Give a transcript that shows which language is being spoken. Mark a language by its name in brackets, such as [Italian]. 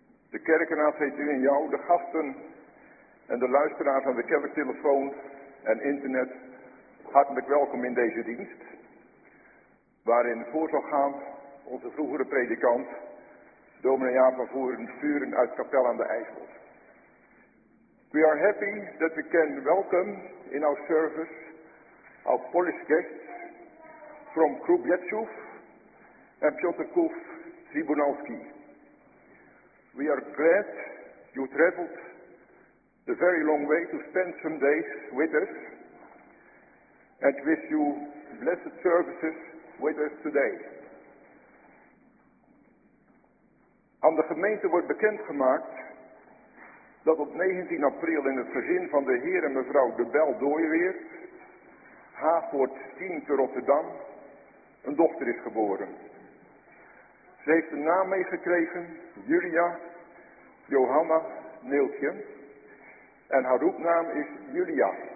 [Dutch] De kerkenraad heet u en jou, de gasten en de luisteraars aan de kerktelefoon en internet, hartelijk welkom in deze dienst, waarin voor zal gaan onze vroegere predikant, dominee Jaap van Voeren, sturen uit Kapel aan de IJssel. [English] We are happy that we can welcome in our service our Polish guests from Krubietschow en Piotrków Tribunalski. We are glad you traveled the very long way to spend some days with us and wish you blessed services with us today. [Dutch] Aan de gemeente wordt bekendgemaakt dat op 19 april in het gezin van de heer en mevrouw De Bel Dooyweert, Haagpoort 10 te Rotterdam, een dochter is geboren. Ze heeft een naam meegekregen, Julia Johanna Neeltje, en haar roepnaam is Julia.